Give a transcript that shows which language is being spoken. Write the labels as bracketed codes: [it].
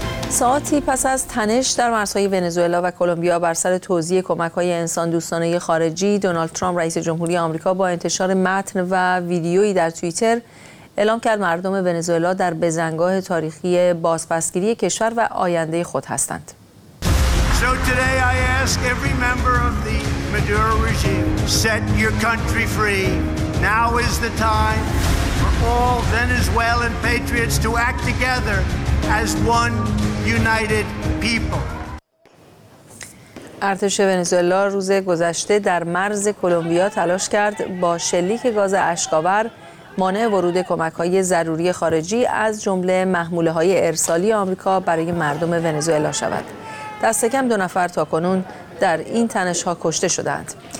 [fa] ساعتی پس از تنش در مرزهای ونزوئلا و کولومبیا بر سر توزیع کمک‌های انسان دوستانه خارجی، دونالد ترامپ رئیس جمهوری آمریکا با انتشار متن و ویدیویی در توییتر اعلام کرد مردم ونزوئلا در بزنگاه تاریخی بازپسگیری کشور و آینده خود هستند. [en] So today I ask every member of the Maduro regime, set your country free. Now is the time for all Venezuelan patriots to act together as one united people. [fa] ارتش ونزوئلا روز گذشته در مرز کولومبیا تلاش کرد با شلیک گاز اشکاور مانع ورود کمک‌های ضروری خارجی از جمله محموله‌های ارسالی آمریکا برای مردم ونزوئلا شود. دست کم 2 نفر تاکنون در این تنش‌ها کشته شدند.